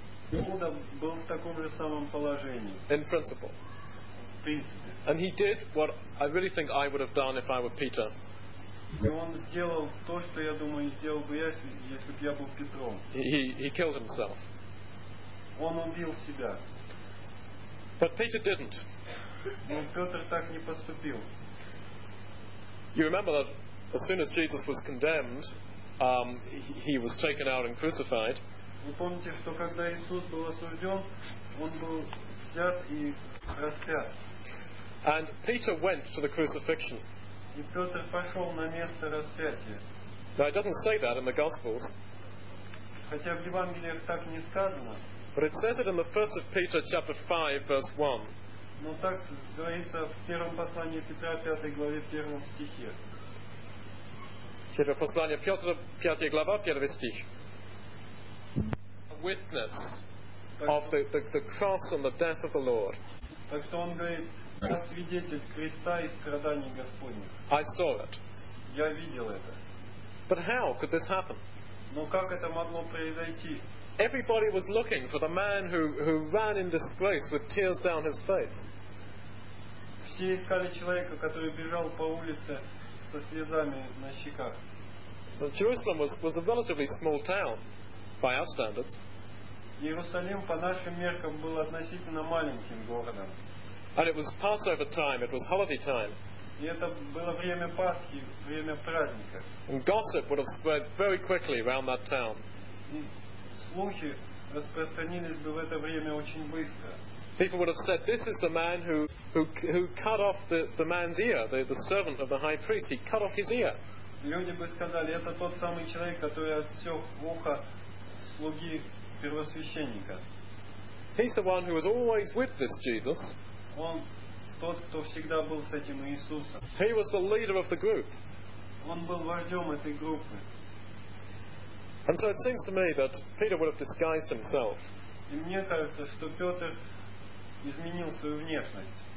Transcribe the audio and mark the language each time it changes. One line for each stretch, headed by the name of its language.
Russian: Иуда был в таком же самом положении.
English: In principle.
Russian: В принципе.
English: And he did what I really think I would have done if I were Peter.
Russian: И он сделал то, что я думаю, сделал бы я, если бы я был Петром.
English: He killed himself.
Russian: Он убил себя.
English: But Peter didn't.
Russian: Но Петр так не поступил.
English: You remember that as soon as Jesus was condemned, he was taken out and crucified.
Russian: Вы помните, что когда Иисус был осужден, он был взят и распят.
English: And Peter went to the crucifixion.
Russian: И Петр пошел на место распятия.
English: Now it doesn't say that in the Gospels.
Russian: Хотя в Евангелиях так не сказано.
English: But it says it in the first of Peter chapter 5 verse 1.
Russian: Но так говорится в первом послании Петра, 5 главе, 1 стихе. Первое послание Петра, 5 глава, 1 стих.
English: A witness of the cross and the death of the Lord.
Russian: Так что он говорит, я свидетель креста и страданий Господних.
English: I saw it.
Russian: Я видел это.
English: But how could this happen?
Russian: Но как это могло произойти?
English: Everybody was looking for the man who ran in disgrace with tears down his face.
Russian: Все искали человека, который бежал по улице со слезами на щеках.
English: Jerusalem was a relatively small town by our standards.
Russian: Иерусалим по нашим меркам был относительно маленьким городом.
English: And it was Passover time. It was holiday time.
Russian: И это было время Пасхи, время праздника.
English: And gossip would have spread very quickly around that town.
Russian: И слухи распространились бы в это время очень быстро.
English: People would have said, "This is the man who cut off the man's ear, the servant of the high priest. He cut off his ear."
Russian: Люди бы сказали, это тот самый человек, который отсек ухо слуги первосвященника.
English: He's the one who was always with this Jesus.
Russian: Он тот, кто всегда был с этим Иисусом.
English: He was the leader of the group.
Russian: Он был вождем этой группы.
English: And so it seems to me that Peter would have disguised himself.
Russian: И мне кажется, что Петр изменил свою внешность.